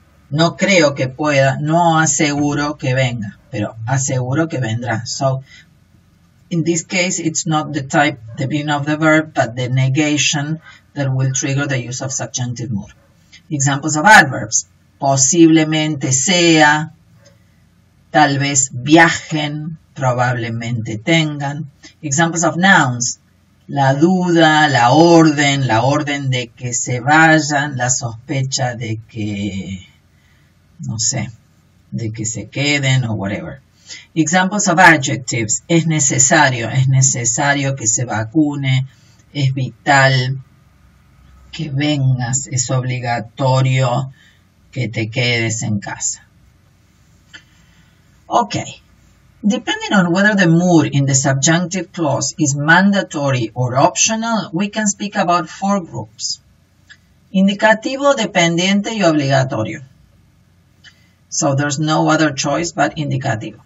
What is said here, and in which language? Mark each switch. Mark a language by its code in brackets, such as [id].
[es] No creo que pueda, no aseguro que venga, pero aseguro que vendrá. [en] So, in this case, it's not the type, the beginning of the verb, but the negation that will trigger the use of subjunctive mood. Examples of adverbs. [es] Posiblemente sea, tal vez viajen, probablemente tengan. [en] Examples of nouns. [es] La duda, la orden de que se vayan, la sospecha de que, no sé, de que se queden o whatever. [en] Examples of adjectives. [es] Es necesario que se vacune, es vital que vengas, es obligatorio que te quedes en casa. [en] Okay. Depending on whether the mood in the subjunctive clause is mandatory or optional, we can speak about four groups. [es] Indicativo, dependiente y obligatorio. [en] So there's no other choice but indicativo.